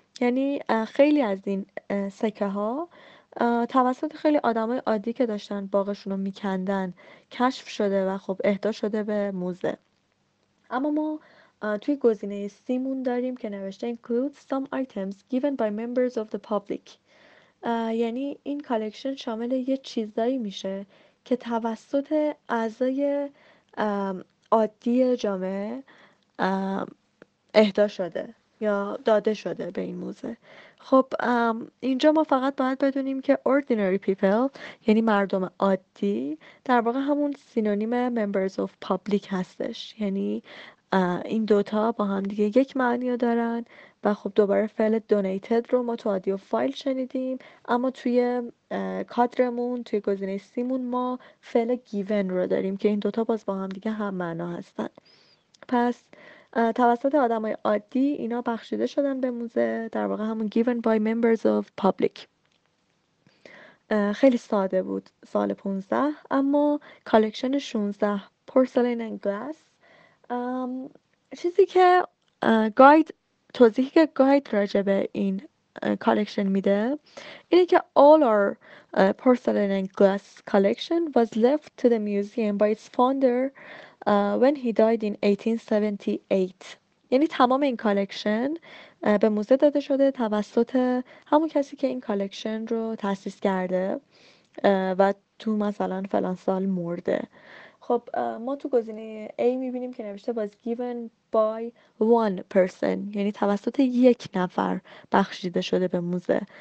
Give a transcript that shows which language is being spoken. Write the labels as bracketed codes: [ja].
[fa] یعنی خیلی از این سکه ها توسط خیلی آدم های عادی که داشتن باغشون رو میکندن کشف شده و خب اهدا شده به موزه. اما ما توی گزینه سیمون داریم که نوشته [en] includes some items given by members of the public. [fa] یعنی این کالکشن شامل یه چیزایی میشه که توسط اعضای عادی جامعه اهدا شده یا داده شده به این موزه. خب اینجا ما فقط باید بدونیم که [en] ordinary people [fa] یعنی مردم عادی در واقع همون سینونیم [en] members of public [fa] هستش، یعنی این دوتا با هم دیگه یک معنی رو دارن. و خب دوباره فعل donated رو ما تو آدیو فایل شنیدیم، اما توی کادرمون توی گزینه سیمون ما فعل given رو داریم که این دوتا باز با هم دیگه هم معنا هستن. پس توسط آدم های عادی اینا بخشیده شدن به موزه، در واقع همون [en] given by members of public. [fa] خیلی ساده بود سال 15. اما کالکشن 16 [en] porcelain and glass، [fa] چیزی که گاید توضیحی که گاید راجب این کالکشن میده اینه که [en] all our porcelain and glass collection was left to the museum by its founder when he died in 1878. [fa] یعنی تمام این کالکشن به موزه داده شده توسط همون کسی که این کالکشن رو تأسیس کرده و تو مثلا فلان سال مرده. خب ما تو گزینه A میبینیم که نوشته [en] was given by one person، [fa] یعنی توسط یک نفر بخشیده شده به موزه.